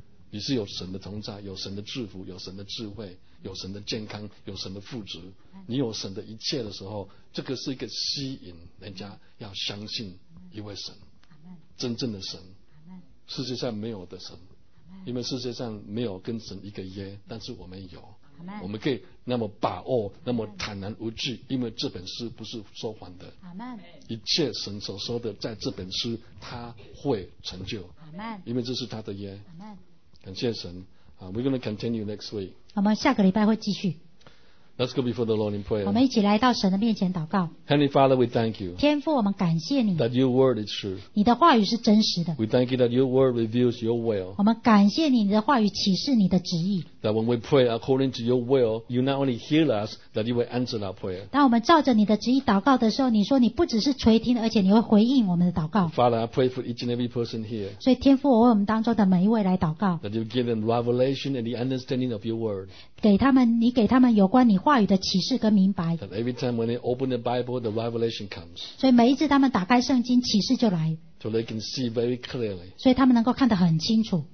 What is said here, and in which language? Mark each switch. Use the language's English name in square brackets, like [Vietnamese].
[Chinese] 你是有神的同在，有神的祝福，有神的智慧，有神的健康，有神的富足，你有神的一切的时候，这个是一个吸引人家要相信一位神，真正的神，世界上没有的神，因为世界上没有跟神一个约，但是我们有，我们可以那么把握，那么坦然无惧，因为这本书不是说谎的，一切神所说的在这本书他会成就，因为这是他的约。感谢神。 [English] We're going to continue next week. [Chinese] 我们下个礼拜会继续。 [English] Let's go before the Lord in prayer. [Chinese] 我们一起来到神的面前祷告。 [English] Heavenly Father, we thank you. [Chinese] 天父，我们感谢你。 [English] That your word is true. [Chinese] 你的话语是真实的。 [English] We thank you that your word reveals your will. [Chinese] 我们感谢你，你的话语启示你的旨意。 [English] That when we pray according to your will, you not only heal us, that you will answer our prayer. [Chinese] 当我们照着你的旨意祷告的时候，你说你不只是垂听，而且你会回应我们的祷告。 [English] Father, I pray for each and every person here. [Chinese] 所以天父，我为我们当中的每一位来祷告。 [English] That you give them revelation and the understanding of your word. [Chinese] 给他们，你给他们有关你话语的启示跟明白。 [English] That every time when they open the Bible, the revelation comes. [Chinese] 所以每一次他们打开圣经，启示就来。 [English] So they can see very clearly. [Chinese] 所以他们能够看得很清楚。